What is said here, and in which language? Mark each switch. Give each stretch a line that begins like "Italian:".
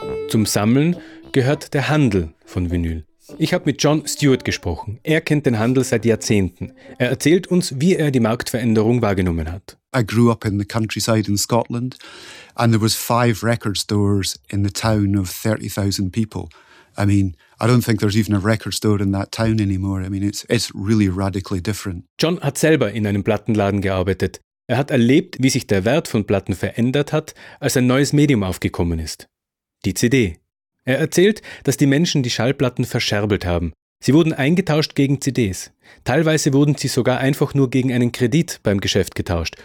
German: Zum Sammeln gehört der Handel von Vinyl. Ich habe mit John Stewart gesprochen. Er kennt den Handel seit Jahrzehnten. Er erzählt uns, wie er die Marktveränderung wahrgenommen hat.
English: I grew up in the countryside in Scotland and there was 5 record stores in the town of 30,000 people. I mean, I don't think there's even a record store in that town anymore. I mean, it's really radically different.
German: John hat selber in einem Plattenladen gearbeitet. Er hat erlebt, wie sich der Wert von Platten verändert hat, als ein neues Medium aufgekommen ist. Die CD. Er erzählt, dass die Menschen die Schallplatten verscherbelt haben. Sie wurden eingetauscht gegen CDs. Teilweise wurden sie sogar einfach nur gegen einen Kredit beim Geschäft getauscht.